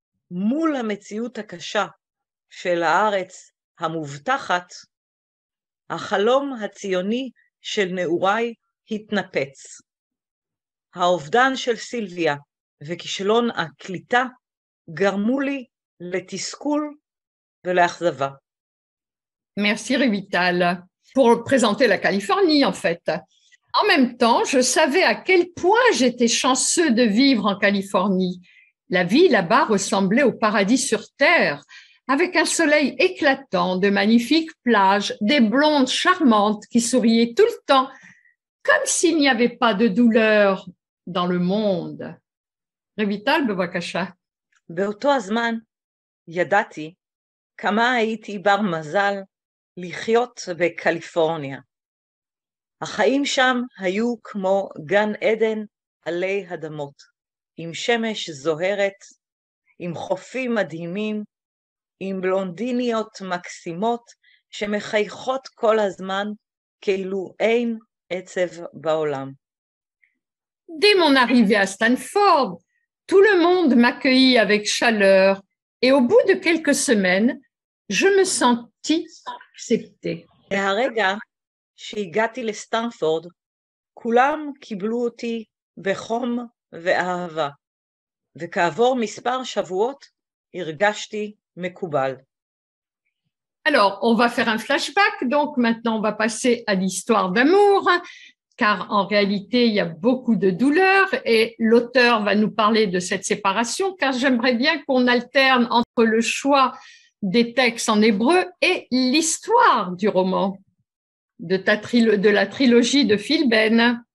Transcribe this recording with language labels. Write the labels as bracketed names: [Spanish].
[Hebrew] מול המציאות הקשה של הארץ המובטחת, החלום הציוני של נעוריי התנפץ. האובדן של סילביה וכישלון הקליטה גרמו לי לתסכול ולאכזבה. [French] Merci Revital pour présenter la Californie en fait. En même temps, je savais à quel point j'étais chanceux de vivre en Californie. La vie là-bas ressemblait au paradis sur terre, avec un soleil éclatant, de magnifiques plages, des blondes charmantes qui souriaient tout le temps, comme s'il n'y avait pas de douleur dans le monde. [Hebrew] Revital, bevakasha. באותו הזמן, ידעתי כמה הייתי בר מזל לחיות בקליפורניה. החיים שם היו כמו גן עדן עלי אדמות. עם שמש זוהרת, עם חופים מדהימים, עם בלונדיניות מקסימות שמחייכות כל הזמן כאילו אין עצב בעולם. [French] Dès mon arrivée à Stanford, tout le monde m'accueillit avec chaleur et au bout de quelques semaines, je me sentis acceptée. [Hebrew] והרגע שהגעתי לסטנפורד, כולם קיבלו אותי בחום ואהבה. וכעבור מספר שבועות הרגשתי מקובל. [French] Alors, on va faire un flashback, donc maintenant on va passer à l'histoire d'amour, car en réalité il y a beaucoup de douleurs et l'auteur va nous parler de cette séparation, car j'aimerais bien qu'on alterne entre le choix des textes en hébreu et l'histoire du roman de la trilogie de Phil Ben.